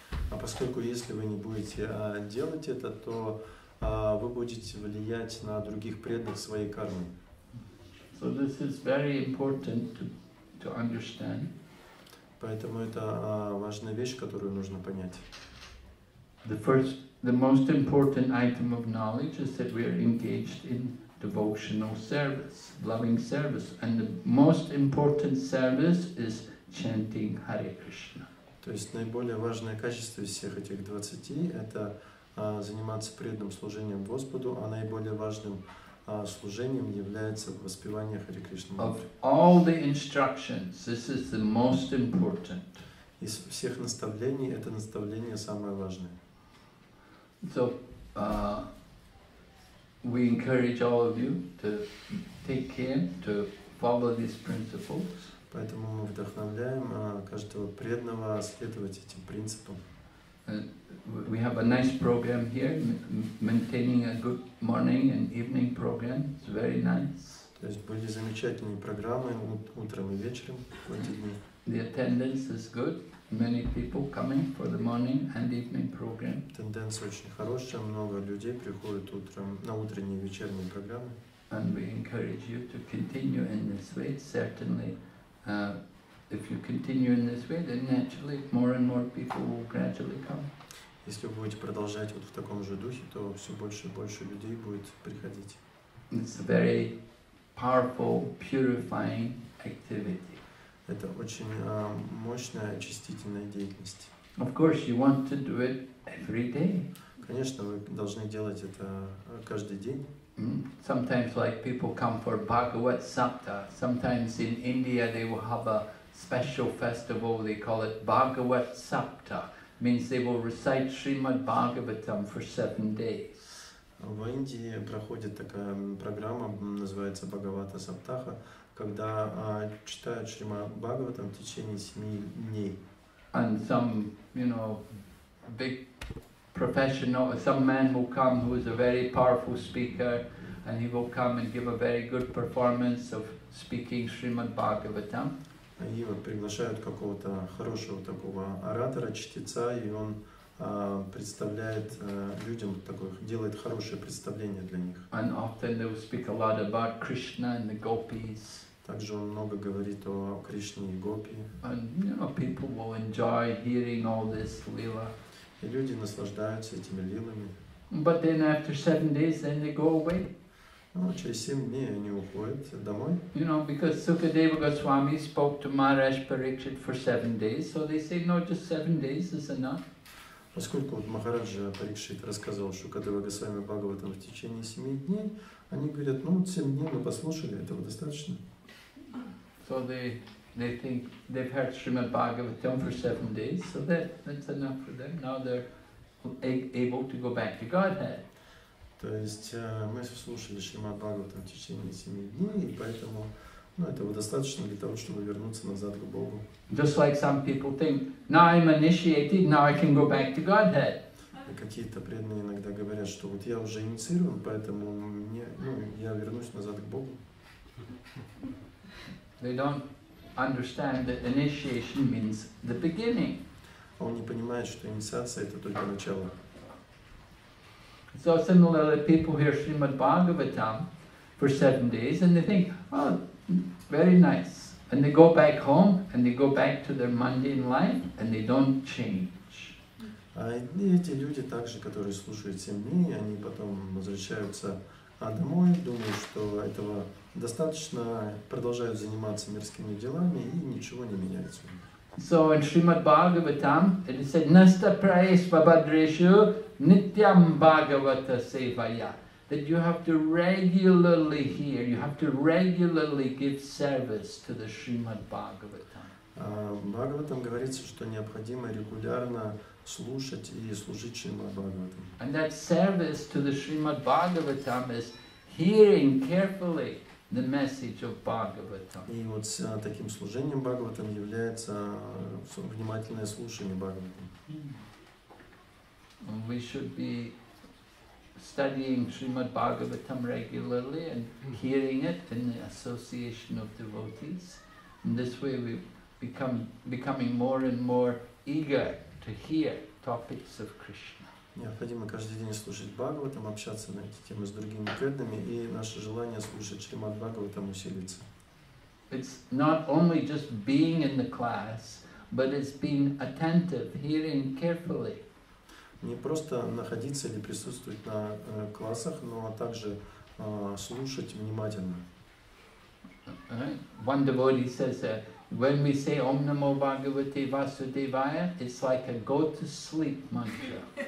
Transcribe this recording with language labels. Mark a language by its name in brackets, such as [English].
[Russian] А поскольку если вы не будете делать это, то вы будете влиять на других преданных своей кармой. [English] So this is very important to understand. [Russian] Поэтому это важная вещь, которую нужно понять. [English] The most important item of knowledge is that we are engaged in devotional service, loving service, and the most important service is chanting Hare Krishna. [Russian] То есть наиболее важное качество из всех этих 20 это заниматься преданным служением Господу, а наиболее важным служением является воспевание Хари Кришна. [English] Of all the instructions, this is the most important. [Russian] Из всех наставлений это наставление самое важное. [English] So we encourage all of you to take care to follow these principles. [Russian] Поэтому мы вдохновляем каждого преданного следовать этим принципам. [English] We have a nice program here, maintaining a good morning and evening program. It's very nice. [Russian] То есть были замечательные программы утром и вечером в эти дни. [English] The attendance is good. Many people coming for the morning and evening program. [Russian] Тенденция очень хорошая. Много людей приходят утром на утренние и вечерние программы. [English] And we encourage you to continue in this way. Certainly, if you continue in this way, then naturally more and more people will gradually come. [Russian] Если вы будете продолжать вот в таком же духе, то все больше и больше людей будет приходить. [English] It's a very powerful, purifying activity. [Russian] Это очень мощная очистительная деятельность. [English] Of course, you want to do it every day. [Russian] Конечно, вы должны делать это каждый день. [English] Mm-hmm. Sometimes, like people come for Bhagavad Sapta. Sometimes in India they will have a special festival. They call it Bhagavad Sapta. Means they will recite Srimad Bhagavatam for 7 days. [Russian] В Индии проходит такая программа, называется Бхагавата Саптаха, когда читают Шримад Бхагаватам в течение 7 дней. [English] And some, you know, big professional, some man will come who is a very powerful speaker, and he will come and give a very good performance of speaking Srimad Bhagavatam. [Russian] И вот приглашают какого-то хорошего такого оратора, чтеца, и он представляет людям такое, делает хорошее представление для них. [English] And often they will speak a lot about Krishna and the gopis. [Russian] Также он много говорит о Кришне и гопи. [English] And, you know, people will enjoy hearing all this lila. [Russian] И люди наслаждаются этими лилами. [English] But then after 7 days, then they go away. [Russian] Ну, через 7 дней они уходят домой. [English] You know, because Sukadeva Goswami spoke to Maharaj Parikshit for 7 days, so they say, no, just 7 days is enough. [Russian] Поскольку вот Махарадж Парикшит рассказал Шукадева Госвами Бхагаватам в течение 7 дней, они говорят, ну, 7 дней мы послушали, этого достаточно. [English] So they think they've heard Srimad Bhagavatam for 7 days, so that's enough for them. Now they're able to go back to Godhead. [Russian] То есть мы слушали Шримад Бхагаватам в течение 7 дней, и поэтому, ну, этого достаточно для того, чтобы вернуться назад к Богу. [English] Just like some people think, now I'm initiated, now I can go back to Godhead. [Russian] И какие-то преданные иногда говорят, что вот я уже инициирован, поэтому мне, ну, я вернусь назад к Богу. [English] They don't understand that initiation means the beginning. [Russian] Он не понимает, что инициация — это только начало. [English] So similarly, people hear Srimad Bhagavatam for 7 days and they think, oh, very nice. And they go back home and they go back to their mundane life and they don't change. [Russian] Эти люди также, которые слушают 7 дней, они потом возвращаются домой, думают, что этого достаточно, продолжают заниматься мирскими делами и ничего не меняется. [English] So in Srimad Bhagavatam, it is said, [Sanskrit] Nasta praesva badreshu nityam bhagavata sevaya. [English] That you have to regularly hear, you have to regularly give service to the Srimad Bhagavatam. [Russian] В Бхагаватам говорится, что необходимо регулярно слушать и служить Шримад Бхагаватам. [English] And that service to the Srimad Bhagavatam is hearing carefully the message of Bhagavatam. [Russian] И вот с таким служением Бхагаватам является внимательное слушание Бхагаватам. [English] We should be studying Srimad Bhagavatam regularly and hearing it in the association of devotees. And this way we becoming more and more eager to hear topics of Krishna. [Russian] Необходимо каждый день слушать Бхагаватам, общаться на эти темы с другими преданными, и наше желание слушать Шримад Бхагаватам усилится. [English] It's not only just being in the class, but it's being attentive, hearing carefully. [Russian] Не просто находиться или присутствовать на классах, но также слушать внимательно. [English] One devotee says that when we say [Sanskrit] Om Namo Bhagavate Vasudevaya, [English] it's like a go to sleep mantra.